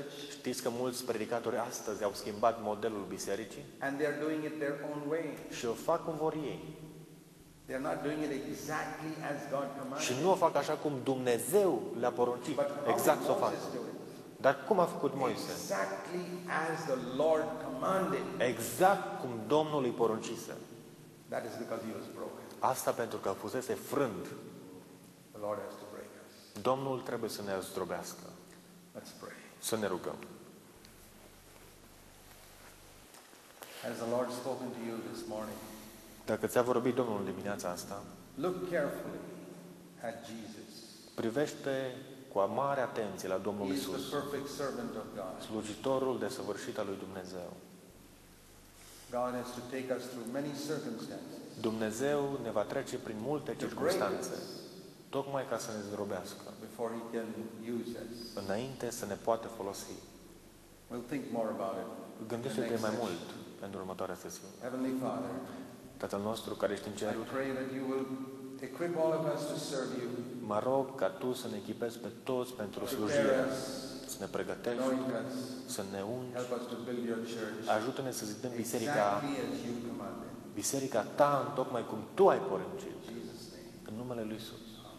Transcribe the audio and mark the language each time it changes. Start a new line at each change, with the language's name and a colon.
Romanian: Știți că mulți predicatori astăzi au schimbat modelul bisericii?
English: And they are doing it their own way.
Romanian: Și o fac cum vor ei.
English: They are not doing it exactly as God commanded.
Romanian: Și nu o fac așa cum Dumnezeu le-a poruncit. Exact s-o fac. Dar cum a făcut Moise?
English: Exactly as the Lord commanded.
Romanian: Exact cum Domnul îi poruncise.
English: That is because he was broken.
Romanian: Asta pentru că fusese frânt.
English: Lord has to break us.
Romanian: Domnul trebuie să ne zdrobească.
English: Let's pray.
Romanian: Să ne rugăm.
English: Has the Lord spoken to you this morning?
Romanian: Dacă ți-a vorbit Domnul în dimineața asta,
English: look carefully at Jesus.
Romanian: Privește cu mare atenție la Domnul
English: He
Romanian: Iisus.
English: Is the perfect servant of God.
Romanian: Slujitorul desăvârșit al lui Dumnezeu.
English: God has to take us through many circumstances.
Romanian: Dumnezeu ne va trece prin multe circumstanțe. Tocmai ca să ne zdrobească.
English: Before he can use us.
Romanian: Înainte să ne poată folosi.
English: We'll think more about it.
Romanian: Gândește-te mai mult pentru următoarea sesiune.
English: Heavenly Father,
Romanian: Tatăl nostru care ești în cer,
English: I pray that you will equip all of us to serve you.
Romanian: Mă rog ca tu să ne echipezi pe toți pentru slujire. Să ne pregătești, să ne ungi.
English: Help us to build your church.
Romanian: Ajută-ne să zidim biserica. Biserica ta, tocmai cum tu ai poruncit. În numele lui Iisus.